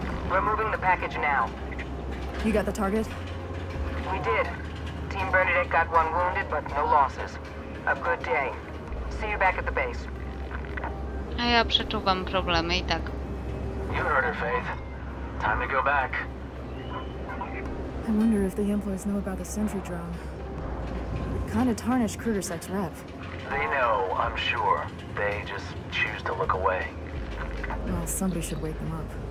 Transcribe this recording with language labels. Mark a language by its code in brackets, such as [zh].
[en] Removing the package now. You got the target? We did. Team Bernadette got one wounded, but no losses. A good day. See you back at the base. [pl] A ja przeczuwam problemy i tak. [en] You heard her, Faith. Time to go back. I wonder if the employees know about the sentry drone. It kind of tarnished Kruger's ex-rep. They know, I'm sure. They just choose to look away. Well, somebody should wake them up.